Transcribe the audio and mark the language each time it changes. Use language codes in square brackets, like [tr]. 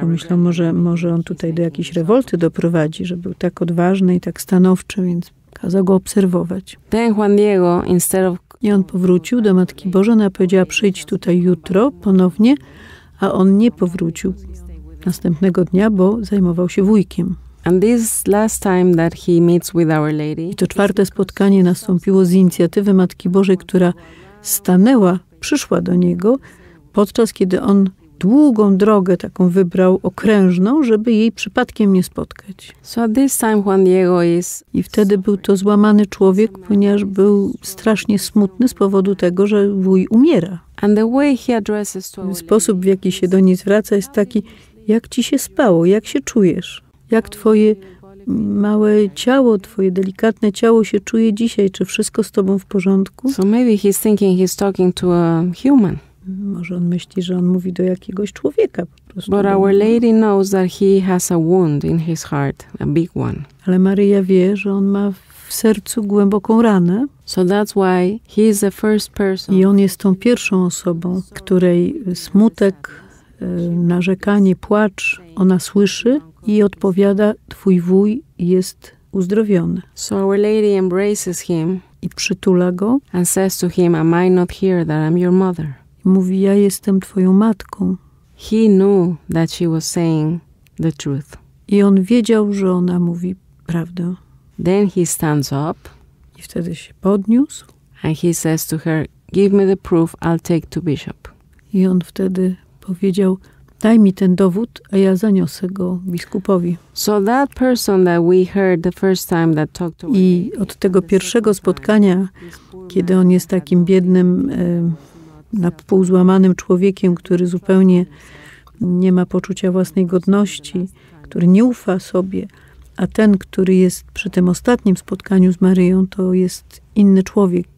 [pl] pomyślą, może on tutaj do jakiejś rewolty doprowadzi, że był tak odważny i tak stanowczy, więc kazał go obserwować. [en] Then Juan Diego, instead of [pl] i on powrócił do Matki Bożej, ona powiedziała, przyjdź tutaj jutro ponownie, a on nie powrócił. następnego dnia, bo zajmował się wujkiem. [en] And this last time that he meets with Our Lady. [pl] I to czwarte spotkanie nastąpiło z inicjatywy Matki Bożej, która stanęła, przyszła do niego, podczas kiedy on długą drogę taką wybrał, okrężną, żeby jej przypadkiem nie spotkać. [en] So this time Juan Diego is... [pl] I wtedy był to złamany człowiek, ponieważ był strasznie smutny z powodu tego, że wuj umiera. [en] And the way he addresses to... [pl] Sposób, w jaki się do niej zwraca, jest taki: jak ci się spało, jak się czujesz? Jak twoje małe ciało, twoje delikatne ciało się czuje dzisiaj? Czy wszystko z tobą w porządku? [en] So maybe he's thinking he's talking to a human. [pl] Może on myśli, że on mówi do jakiegoś człowieka po prostu. [en] But Our Lady knows that he has a wound in his heart, a big one. [pl] Ale Maryja wie, że on ma w sercu głęboką ranę. [en] So that's why he is the first person. [pl] I on jest tą pierwszą osobą, której smutek, narzekanie, płacz ona słyszy i odpowiada: twój wuj jest uzdrowiony. [en] So Our Lady embraces him [pl] i przytula go. [en] And says to him, am I not here that I'm your mother? [pl] Mówi: ja jestem twoją matką. [en] He knew that she was saying the truth. [pl] I on wiedział, że ona mówi prawdę. [en] Then he stands up. [pl] I wtedy się podniósł. [en] And he says to her, give me the proof, I'll take to bishop. [pl] I on wtedy powiedział: daj mi ten dowód, a ja zaniosę go biskupowi. [en] So that person that we heard the first time that talked to him. [pl] I od tego pierwszego spotkania, kiedy on jest takim biednym, na pół złamanym człowiekiem, który zupełnie nie ma poczucia własnej godności, który nie ufa sobie, a ten, który jest przy tym ostatnim spotkaniu z Maryją, to jest inny człowiek.